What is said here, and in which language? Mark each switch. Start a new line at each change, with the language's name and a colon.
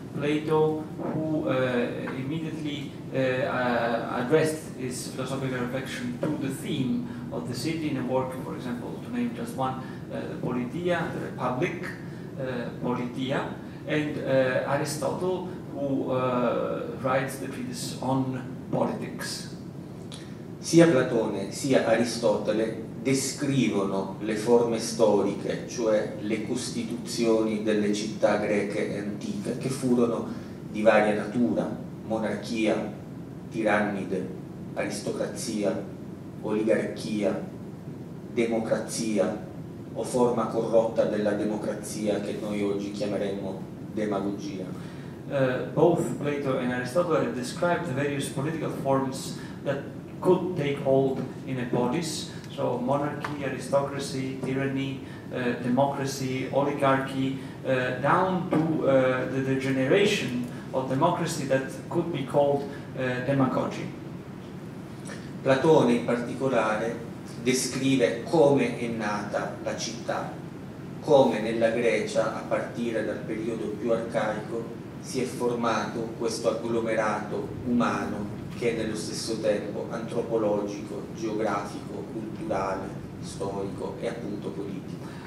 English: Plato, who immediately addressed his philosophical reflection to the theme of the city in a work, for example, to name just one, Politeia, the Republic, Politeia, and Aristotle, who writes the treatise on politics.
Italian: Sia Platone sia Aristotele descrivono le forme storiche, cioè le costituzioni delle città greche antiche, che furono di varia natura: monarchia, tirannide, aristocrazia, oligarchia, democrazia o forma corrotta della democrazia che noi oggi chiameremmo demagogia.
English: Both Plato and Aristotle have described the various political forms that could take hold in a polis. So monarchy, aristocracy, tyranny, democracy, oligarchy, down to the degeneration of democracy that could be called demagogy.
Italian: Platone in particolare descrive come è nata la città, come nella Grecia, a partire dal periodo più arcaico, si è formato questo agglomerato umano che è nello stesso tempo antropologico, geografico, culturale, storico e appunto politico.